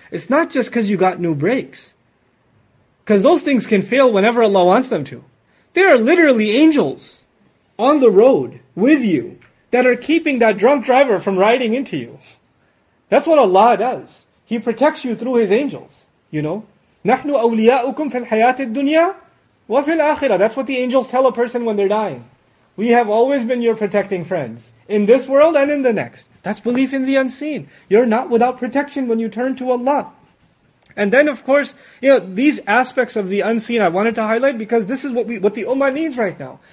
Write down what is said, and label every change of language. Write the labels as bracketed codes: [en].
[en] It's not just because you got new brakes. Because those things can fail whenever Allah wants them to. There are literally angels on the road with you that are keeping that drunk driver from riding into you. That's what Allah does. He protects you through His angels. You know, [ar] نَحْنُ أَوْلِيَاءُكُمْ فِي الْحَيَاةِ الدُّنْيَا وَفِي الْآخِرَةِ. [en] That's what the angels tell a person when they're dying. We have always been your protecting friends, in this world and in the next. That's belief in the unseen. You're not without protection when you turn to Allah. And then of course, you know, these aspects of the unseen I wanted to highlight because this is what the ummah needs right now.